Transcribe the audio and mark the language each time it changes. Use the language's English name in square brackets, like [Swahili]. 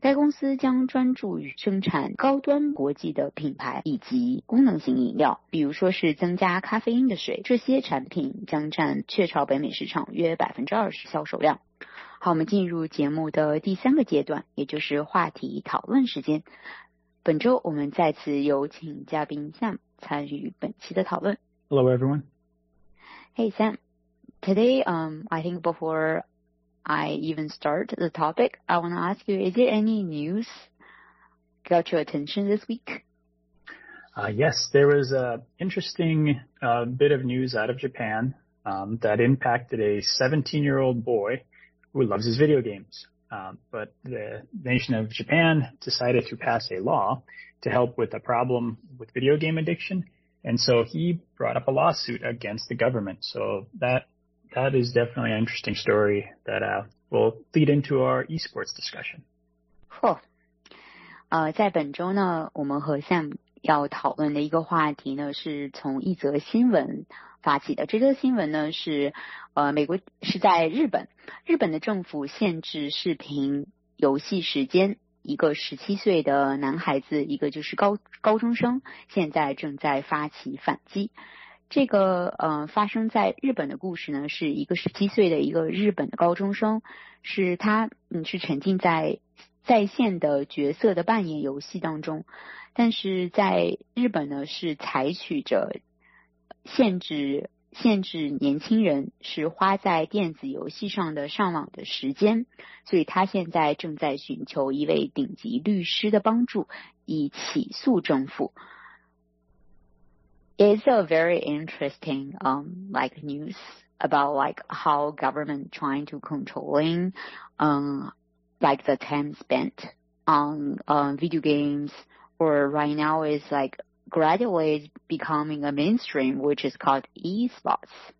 [Chinese] 该公司将专注于生产高端国际的品牌以及功能性饮料，比如说是增加咖啡因的水，这些产品将占雀巢北美市场约 20% 销售量。好，我们进入节目的第三个阶段，也就是话题讨论时间。本周我们再次有请嘉宾 Sam 参与本期的讨论。 [English] Hello, everyone. Hey, Sam. Today, I think before I even start the topic, I want to ask you, is there any news got your attention this week? Yes, there was an interesting bit of news out of Japan that impacted a 17-year-old boy who loves his video games. But the nation of Japan decided to pass a law to help with a problem with video game addiction. And so he brought up a lawsuit against the government. So that is definitely an interesting story that will lead into our esports discussion. [Chinese] 嚯，在本周呢，我们和 Sam 要讨论的一个话题呢，是从一则新闻发起的。这则新闻呢是，美国是在日本，日本的政府限制视频游戏时间。一个17岁的男孩子，一个就是高中生，现在正在发起反击。这个发生在日本的故事呢，是一个17岁的一个日本的高中生，是他是沉浸在在线的角色的扮演游戏当中，但是在日本呢是采取着限制年轻人是花在电子游戏上的上网的时间，所以他现在正在寻求一位顶级律师的帮助，以起诉政府。 [English] It's a very interesting news about how government trying to controlling the time spent on video games, or right now is gradually becoming a mainstream, which is called eSports.